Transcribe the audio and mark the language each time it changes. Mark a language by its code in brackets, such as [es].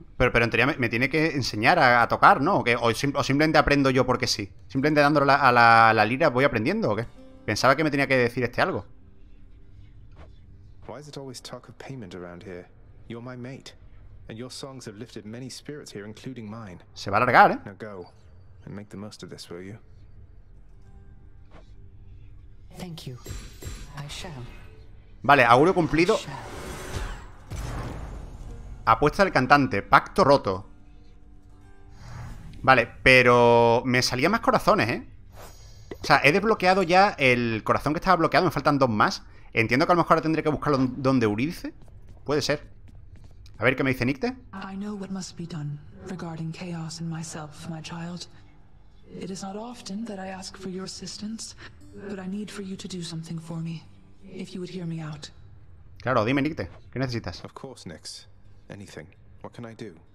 [es] Pero en teoría me tiene que enseñar a tocar, ¿no? ¿O simplemente aprendo yo porque sí? ¿Simplemente dándole a la lira voy aprendiendo o qué? Pensaba que me tenía que decir este algo. [en] Why is it always talk of payment around here? You're my mate. And your songs have lifted many spirits here, including mine. [es] Se va a largar, ¿eh? [en] Now go and make the most of this, will you? Thank you. I shall. [es] Vale, augurio cumplido. Apuesta del cantante. Pacto roto. Vale, pero me salían más corazones, ¿eh? O sea, he desbloqueado ya el corazón que estaba bloqueado. Me faltan dos más. Entiendo que a lo mejor tendré que buscarlo donde Eurídice. Puede ser. A ver qué me dice Nicte. [en] I know what must be done regarding chaos and myself, my child. It is not often that I ask for your assistance, but I need for you to do something for me, if you would hear me out. [es] Claro, dime, Nicte, ¿qué necesitas? [en] Of course, Nix. Anything. What can I do?